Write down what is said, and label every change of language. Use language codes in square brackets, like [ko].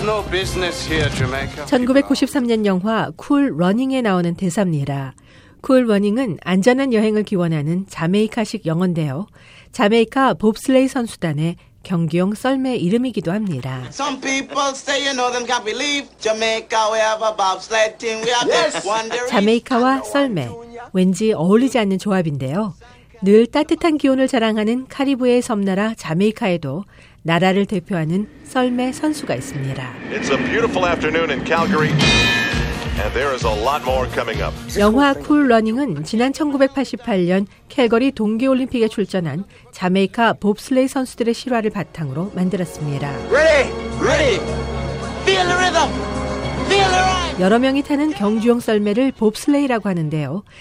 [ko] 1993년 영화 쿨 러닝에 나오는 대사입니다. 쿨 러닝은 안전한 여행을 기원하는 자메이카식 영어인데요. 자메이카 봅슬레이 선수단의 경기용 썰매 이름이기도 합니다. [en] Some people say you know them can't believe Jamaica we have a bobsled team we have this wonder. [ko] 자메이카와 썰매 왠지 어울리지 않는 조합인데요. 늘 따뜻한 기온을 자랑하는 카리브해 섬나라 자메이카에도 나라를 대표하는 썰매 선수가 있습니다. [en] It's a beautiful afternoon in Calgary. And there is a lot more coming up. [ko] 영화 쿨 러닝은 지난 1988년 캘거리 동계올림픽에 출전한 자메이카 봅슬레이 선수들의 실화를 바탕으로 만들었습니다. [en] Ready, ready. Feel the rhythm. Feel the ride. [ko] 여러 명이 타는 경주용 썰매를 봅슬레이라고 하는데요.